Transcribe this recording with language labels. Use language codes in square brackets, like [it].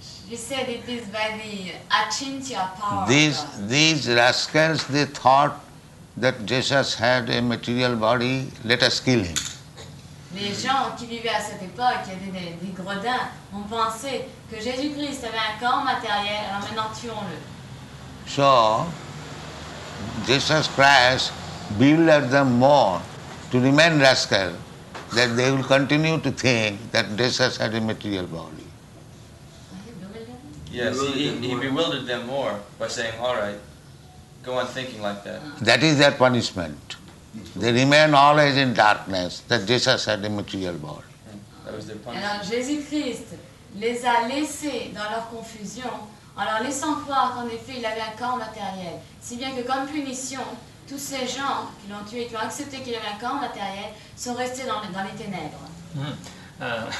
[en] You said it is by the achintya power. These rascals, they thought that Jesus had a material body, let us kill him. [fr] Les gens qui vivaient à cette époque, il y avait des gredins, ont pensé que Jésus-Christ avait un corps matériel, alors maintenant tuons-le. [en] So, Jesus Christ bewildered them more to remain rascal, that they will continue to think that Jesus had a material body. Yes, he bewildered them more by saying, all right, go on thinking like that. That is their punishment. They remain always in darkness that Jesus had a material body. That was their punishment. [fr] Alors Jésus-Christ les a laissés dans leur confusion, en leur laissant croire qu'en effet il avait un corps matériel. Si bien que comme punition, tous ces gens qui l'ont tué et qui ont accepté qu'il avait un corps matériel sont restés dans les ténèbres.